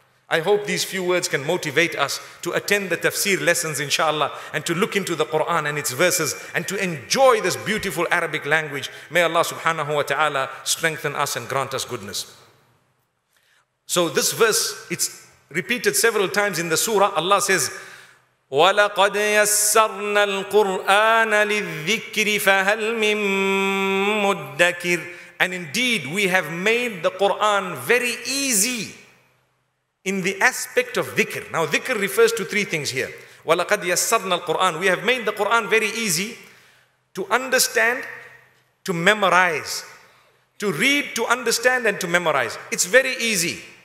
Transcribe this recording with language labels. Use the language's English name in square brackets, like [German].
[English] I hope these few words can motivate us to attend the tafsir lessons, inshallah, and to look into the Quran and its verses, and to enjoy this beautiful Arabic language. May Allah subhanahu wa ta'ala strengthen us and grant us goodness. So this verse, it's repeated several times in the surah. Allah says, [Arabic] وَلَقَدْ يَسَّرْنَا الْقُرْآنَ لِلذِّكْرِ فَهَلْ مِن مُدَّكِرِ. [English] And indeed, we have made the Quran very easy in the aspect of dhikr. Now, dhikr refers to three things here. [Arabic] وَلَقَدْ يَسَّرْنَا الْقُرْآنَ. [English] We have made the Quran very easy to understand, to memorize, to read, to understand, and to memorize. It's very easy.